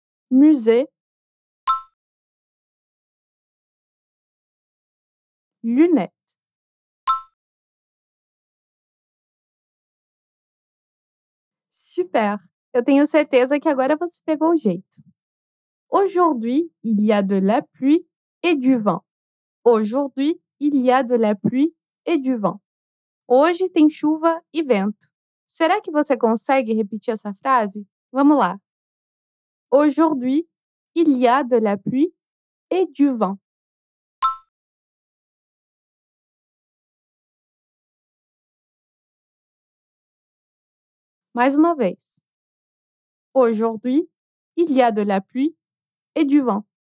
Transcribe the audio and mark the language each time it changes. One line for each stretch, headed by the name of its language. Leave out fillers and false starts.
French: Musée. Lunettes. Super.
Portuguese: Eu tenho certeza que agora você pegou o jeito.
French: Aujourd'hui, il y a de la pluie et du vent. Aujourd'hui, il y a de la pluie et du vent.
Portuguese: Hoje tem chuva e vento. Será que você consegue repetir essa frase? Vamos lá.
French: Aujourd'hui, il y a de la pluie et du vent.
Portuguese: Mais uma vez.
French: Aujourd'hui, il y a de la pluie et du vent.